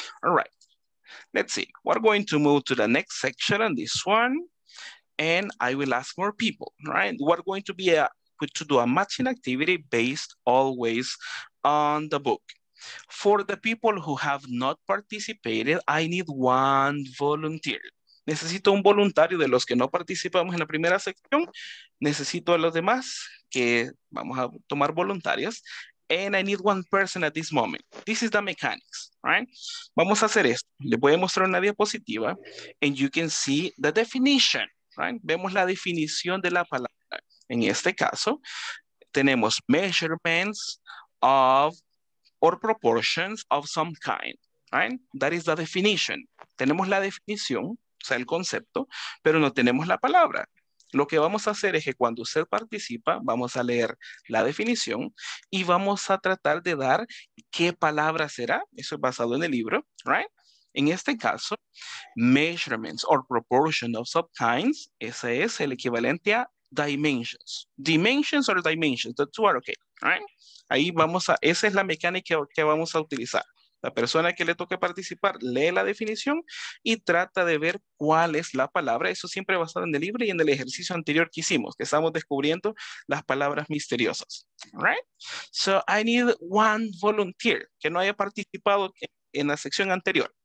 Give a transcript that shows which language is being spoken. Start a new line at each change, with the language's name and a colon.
English: All right. Let's see. We're going to move to the next section on this one. and I will ask more people, right? We're going to be a to do a matching activity based always on the book. For the people who have not participated, I need one volunteer.
Spanish: Necesito un voluntario de los que no participamos en la primera sección. Necesito a los demás que vamos a tomar voluntarios.
English: And I need one person at this moment. This is the mechanics, right?
Spanish: Vamos a hacer esto. Les voy a mostrar una diapositiva.
English: And you can see the definition, right?
Spanish: Vemos la definición de la palabra. En este caso, tenemos
English: measurements of or proportions of some kind, right? That is the definition.
Spanish: Tenemos la definición, o sea, el concepto, pero no tenemos la palabra. Lo que vamos a hacer es que cuando usted participa, vamos a leer la definición y vamos a tratar de dar qué palabra será. Eso es basado en el libro, right? En este caso,
English: measurements or proportion of some kinds,
Spanish: ese es el equivalente a dimensions.
English: Dimensions or dimensions, the two are okay, right?
Spanish: Ahí vamos a, esa es la mecánica que vamos a utilizar. La persona que le toque participar lee la definición y trata de ver cuál es la palabra. Eso siempre basado en el libro y en el ejercicio anterior que hicimos, que estamos descubriendo las palabras misteriosas. Right?
English: So I need one volunteer
Spanish: que no haya participado en la sección anterior.